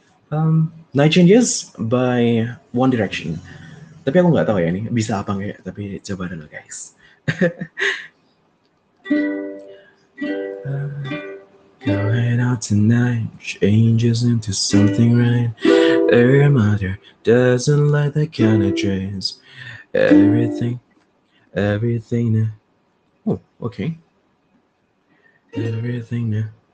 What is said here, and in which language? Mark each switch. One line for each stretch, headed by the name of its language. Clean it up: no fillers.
English: Night Changes by One Direction.
Indonesian: Tapi aku enggak tahu ya ini bisa apa enggak, tapi coba dulu guys.
English: Going out tonight, changes into something right. Her mother doesn't like that kind of dress. Everything now. Oh, okay. Everything now.